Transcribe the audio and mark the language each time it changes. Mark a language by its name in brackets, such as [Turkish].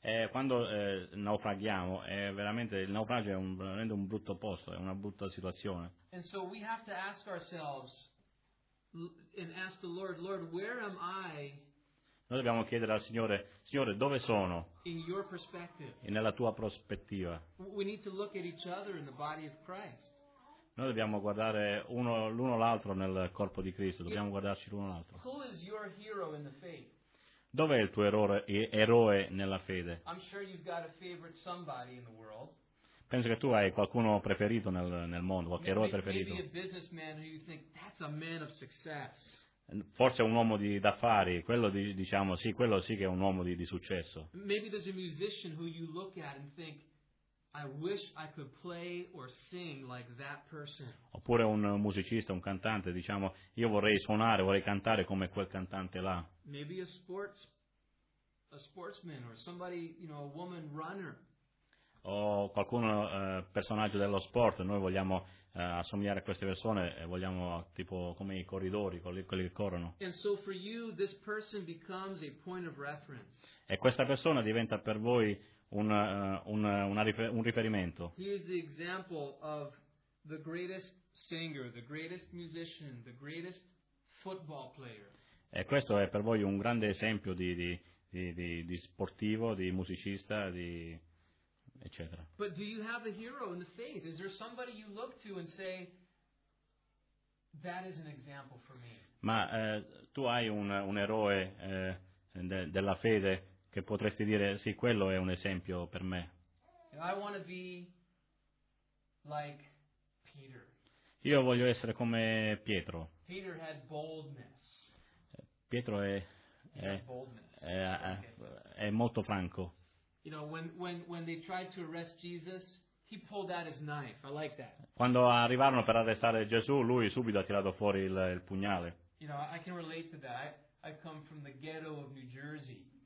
[Italian] Quando naufraghiamo, è veramente, il naufragio è veramente un brutto posto, è una brutta situazione. [English] And so we have to ask ourselves and ask the Lord, Lord, where am I? [Italian] Noi dobbiamo chiedere al Signore: Signore, dove sono? [English] In your perspective. [Italian] E nella tua prospettiva. [English] We need to look at each other in the body of Christ. [Italian] Noi dobbiamo guardare uno, l'uno l'altro nel corpo di Cristo, dobbiamo guardarci l'uno l'altro. [English] Who is your hero in the faith? [Italian] Dov'è il tuo eroe nella fede? [English] I'm sure you've got a favorite somebody in the world. [Italian] Penso che tu hai qualcuno preferito nel mondo, qualche [English] maybe, [Italian] eroe preferito. [English] Maybe a businessman who you think, that's a man of success. [Italian] Forse un uomo d'affari, quello di, diciamo, sì, quello sì che è un uomo di successo. [English] Maybe there's a musician who you look at and think, I wish I could play or sing like that person. [Italian] Oppure un musicista, un cantante, diciamo, io vorrei suonare, vorrei cantare come quel cantante là. [English] Maybe a sportsman or somebody, you know, a woman runner. [Italian] O qualcuno personaggio dello sport, noi vogliamo assomigliare a queste persone, vogliamo tipo come i corridori, quelli che corrono. [English] And so for you this person becomes a point of reference. [Italian] E questa persona diventa per voi un riferimento. [English] He is the example of the greatest singer, the greatest musician, the greatest football player. [Italian] E questo è per voi un grande esempio di sportivo, di musicista, di eccetera. [English] But do you have a hero in the faith? Is there somebody you look to and say, that is an example for me? [Italian] Ma tu hai un eroe della fede che potresti dire, sì, quello è un esempio per me. [English] I want to be like Peter. [Italian] Io voglio essere come Pietro. [English] Peter had boldness. [Italian] Pietro è molto franco. [English] You know, when they tried to arrest Jesus, he pulled out his knife. I like that. [Italian] Quando arrivarono per arrestare Gesù, lui subito ha tirato fuori il pugnale. [English] You know, I can relate to that. I come from the ghetto of New Jersey.